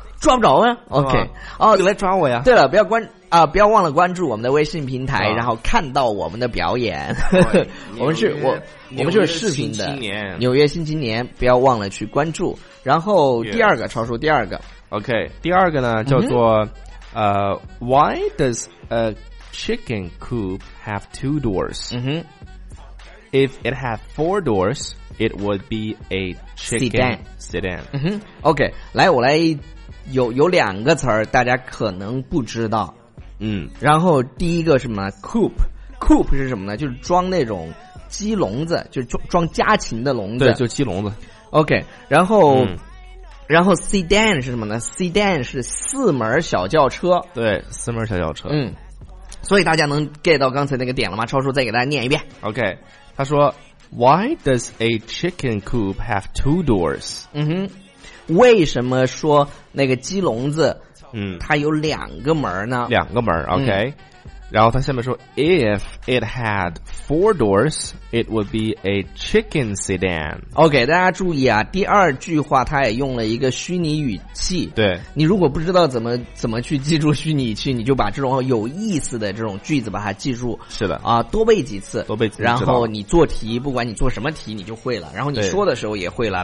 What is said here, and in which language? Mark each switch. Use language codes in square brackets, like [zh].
[zh] 抓不着呀。OK， 哦，你来抓我呀。对了，不要关啊、不要忘了关注我们的微信平台，然后看到我们的表演。我们是视频的纽约新青年，不要忘了去关注。然后第二个超叔，第二个 OK， 第二个呢叫做。 [en] why does a chicken coop have two doors? Mm-hmm. If it had four doors, it would be a chicken sedan. Mm-hmm. [zh] OK, 来我来有两个词儿大家可能不知道。嗯，然后第一个是什么 ?coop。coop 是什么呢，就是装那种鸡笼子，就是装家禽的笼子。对，就鸡笼子。 OK, 然后。嗯，然后 sedan 是什么呢？sedan 是四门小轿车。对，四门小轿车。嗯，所以大家能 get 到刚才那个点了吗？超叔再给大家念一遍。 [en] OK， [zh] 他说 ， [en] Why does a chicken coop have two doors？ [zh] 嗯哼，为什么说那个鸡笼子，嗯，它有两个门呢？两个门。OK，、嗯、然后他下面说 ， [en] If it had four doors， it would be a chicken sedan。 [zh] OK， 大家注意啊，第二句话他也用了一个虚拟语气。对，你如果不知道怎么去记住虚拟语气，你就把这种有意思的这种句子把它记住。是的啊，多背几次，多背几次，然后你做题，不管你做什么题，你就会了。然后你说的时候也会了。